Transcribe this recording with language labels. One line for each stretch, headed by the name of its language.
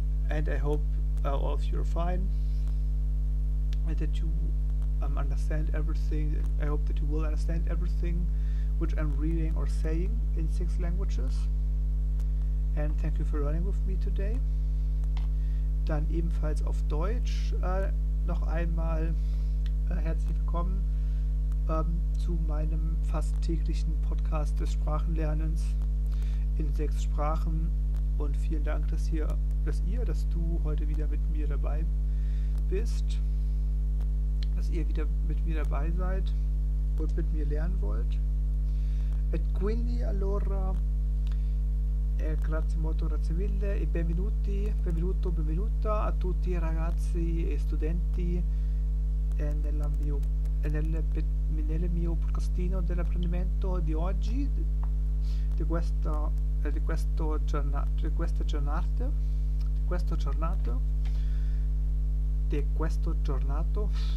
English: And I hope all of you are fine. That you understand everything. I hope that you will understand everything which I'm reading or saying in six languages. And thank you for running with me today.
German: Dann ebenfalls auf Deutsch noch einmal herzlich willkommen zu meinem fast täglichen Podcast des Sprachenlernens in sechs Sprachen. Und vielen Dank, dass du heute wieder mit mir dabei bist. Dass ihr wieder mit mir dabei seid und mit mir lernen wollt.
Italian: Et quindi allora, grazie molto, grazie mille e benvenuti, benvenuto, benvenuta a tutti i ragazzi e studenti nel mio podcastino dell'apprendimento di oggi, di questo giornato.